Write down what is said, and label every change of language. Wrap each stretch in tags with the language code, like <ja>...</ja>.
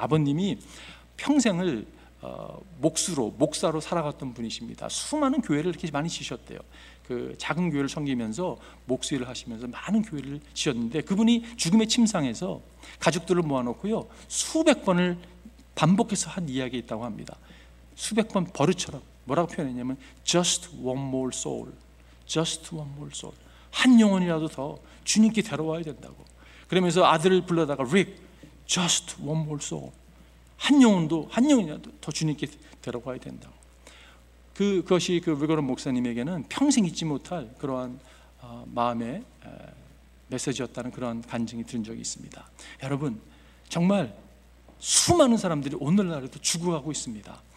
<ko>아버님이 평생을 목수로 목사로 살아갔던 분이십니다. 수많은 교회를 이렇게 많이 지셨대요. 그 작은 교회를 섬기면서 목수 일을 하시면서 많은 교회를 지셨는데 그분이 죽음의 침상에서 가족들을 모아놓고요 수백 번을 반복해서 한 이야기 있다고 합니다. 수백 번 버릇처럼 뭐라고 표현했냐면</ko> <en>just one more soul, just one more soul.</en> <ko>한 영혼이라도 더 주님께 데려와야 된다고. 그러면서 아들을 불러다가</ko> <en>Rick, just one more soul.</en> <ko>한 영혼도 한 영혼이라도 더 주님께 데려와야 된다고. 그것이 그 위그런 목사님에게는 평생 잊지 못할 그러한 마음의 메시지였다는 그런 간증이 들은 적이 있습니다. 여러분, 정말 수많은 사람들이 오늘날에도 죽어가고 있습니다.</ko>